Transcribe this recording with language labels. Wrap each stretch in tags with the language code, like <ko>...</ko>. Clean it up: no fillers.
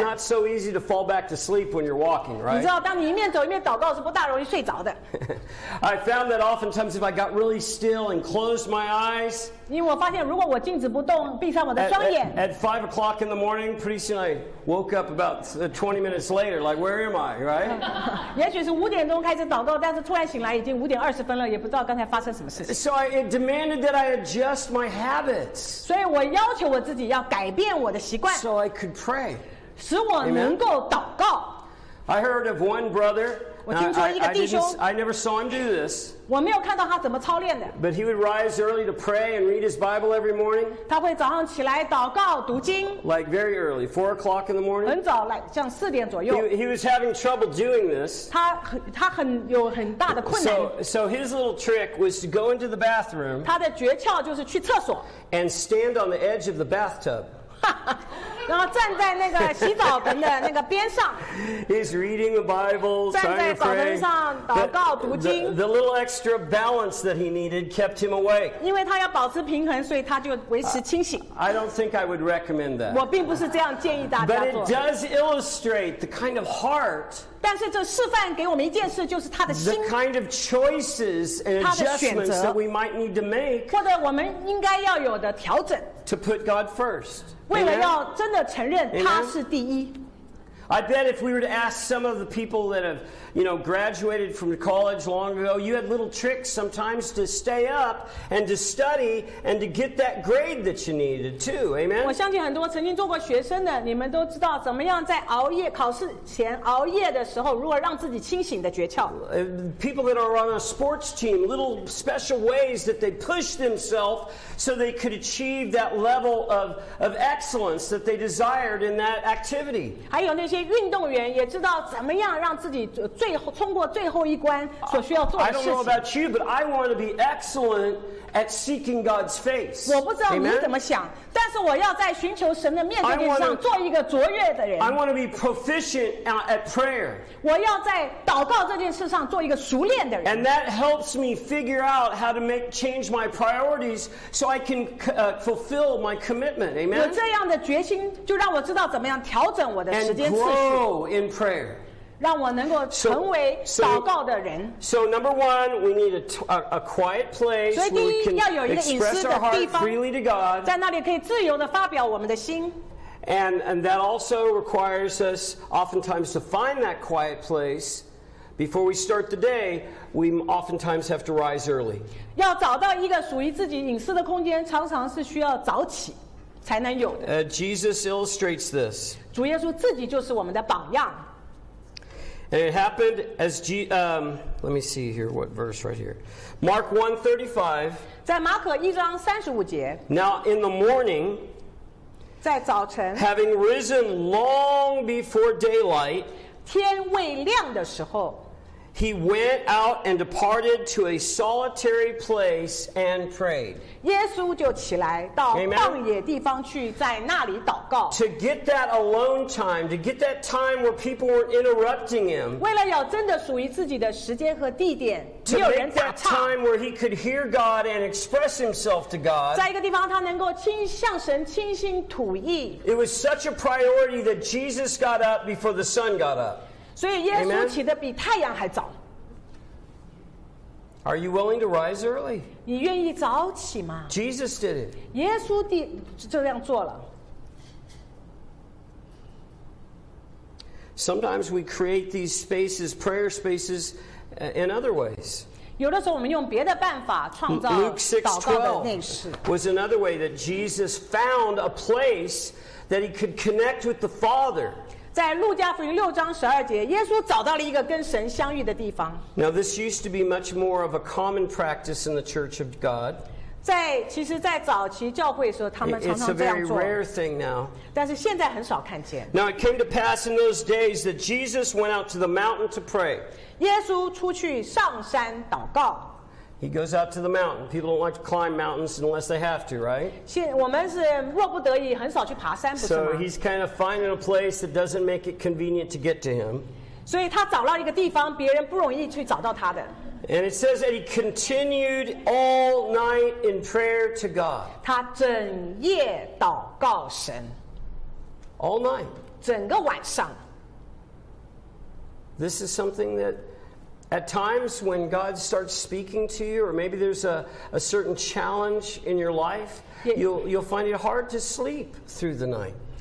<en>It's not so easy to fall back to sleep when you're walking, right?</en> <zh>你知道,当你一面走一面祷告,是不大容易睡着的。</zh> <en>I found that oftentimes if I got really still and closed my eyes,</en> <zh>因为我发现如果我静止不动,闭上我的双眼,</zh> <en>at 5 o'clock in the morning, pretty soon I woke up about 20 minutes later, like, where am I, right?</en> <zh>也许是5点钟开始祷告,但是突然醒来已经5点20分了,也不知道刚才发生什么事情。</zh> <en>So it demanded that I adjust my habits,</en> <zh>所以我要求我自己要改变我的习惯,</zh> <en>so I could pray.</en> <zh>使我能够祷告。</zh> <en>I heard of one brother, I never saw him do this,</en> <zh>我没有看到他怎么操练的,</zh> <en>but he would rise early to pray and read his Bible every morning,</en> <zh>他会早上起来祷告, 读经,</zh> <en>like very early, 4 o'clock in the morning.</en> <zh>很早, like, 像4点左右,</zh> <en>he was having trouble doing this.</en> <zh>他很有很大的困难,</zh> <en>so his little trick was to go into the bathroom,</en> <zh>他的诀窍就是去厕所,</zh> <en>and stand on the edge of the bathtub.</en> <zh>然后站在那个洗澡盆的那个边上,</zh> <en>he's reading the Bible,</en> <zh>站在澡盆上祷告读经,</zh> <en>the little extra balance that he needed kept him awake.</en> <zh>因为他要保持平衡, 所以他就维持清醒。</zh> <en>I don't think I would recommend that.</en> <zh>我并不是这样建议大家做。</zh> <en>But it does illustrate the kind of heart,</en> <zh>但是这示范给我们一件事, 就是他的心,</zh> <en>the kind of choices and adjustments that we might need to make,</en> <zh>或者我们应该要有的调整,</zh> <en>to put God first.</en> <zh>为了要真的承认他是第一。</zh> <en>Amen? I bet if we were to ask some of the people that have, you know, graduated from college long ago, you had little tricks sometimes to stay up and to study and to get that grade that you needed too. Amen.</en> <zh>我相信很多曾经做过学生的，你们都知道怎么样在熬夜考试前熬夜的时候，如何让自己清醒的诀窍。</zh> <en>People that are on a sports team, little special ways that they push themselves so they could achieve that level of excellence that they desired in that activity.</en> <zh>还有那些运动员也知道怎么样让自己最后冲过最后一关所需要做的事情。</zh> <en>I don't know about you, but I want to be excellent at seeking God's face.</en> <zh>我不知道你怎么想，但是我要在寻求神的面前上做一个卓越的人。</zh> <en>I want to be proficient at prayer.</en> <zh>我要在祷告这件事上做一个熟练的人。</zh> <en>And that helps me figure out how to change my priorities so I can fulfill my commitment. Amen.</en> <zh>有这样的决心，就让我知道怎么样调整我的时间次序。</zh> <en>And grow in prayer.</en> <zh>让我能够成为祷告的人。</zh> <en>So number one, we need a quiet place where we can express our heart freely to God.</en> <zh>在那里可以自由地发表我们的心。</zh> <en>And that also requires us oftentimes to find that quiet place before we start the day. We oftentimes have to rise early.</en> <zh>要找到一个属于自己隐私的空间，常常是需要早起才能有的。</zh> <en>Jesus illustrates this.</en> <zh>主耶稣自己就是我们的榜样。</zh> <en>And it happened as let me see here what verse right here. Mark 1:35.</en> <zh>在马可一章三十五节。</zh> <en>Now in the morning,</en> <zh>在早晨</zh> <en>having risen long before daylight,</en> <zh>天未亮的时候</zh> <en>he went out and departed to a solitary place and prayed.</en> <zh>耶稣就起来到旷野地方去，在那里祷告。</zh> <en>To get that alone time, to get that time where people were interrupting him.</en> <zh>为了要真的属于自己的时间和地点，没有人打岔。</zh> <en>To make that time where he could hear God and express himself to God.</en> <zh>在一个地方他能够向神倾心吐意。</zh> <en>It was such a priority that Jesus got up before the sun got up.</en> <zh>所以耶稣起得比太阳还早。</zh> <en>Are you willing to rise early?</en> <zh>你愿意早起吗？</zh> <en>Jesus did it.</en> <zh>耶稣这样做了。</zh> <en>Sometimes we create these spaces, prayer spaces, in other ways.</en> <zh>有的时候我们用别的办法创造祷告的内室。</zh> <en>Luke 6:12 was another way that Jesus found a place that he could connect with the Father.</en> <zh>在路加福音六章十二节，耶稣找到了一个跟神相遇的地方。</zh> <en>Now this used to be much more of a common practice in the Church of God.</en> <zh>在其实，在早期教会的时候，他们常常这样做。</zh> <en>It's a very rare thing now.</en> <zh>但是现在很少看见。</zh> <en>Now it came to pass in those days that Jesus went out to the mountain to pray.</en> <zh>耶稣出去上山祷告。</zh> <en>He goes out to the mountain. People don't like to climb mountains unless they have to, right?</en> <zh>现我们是若不得已，很少去爬山，不是吗</zh> <en>？So he's kind of finding a place that doesn't make it convenient to get to him.</en> <zh>所以他找了一个地方，别人不容易去找到他的。</zh> <en>And it says that he continued all night in prayer to God.</en> <zh>他整夜祷告神。</zh> <en>All night.</en> <zh>整个晚上。</zh> <en>This is something that, at times when God starts speaking to you, or maybe there's a certain challenge in your life, you'll find it hard to sleep through the night.</en>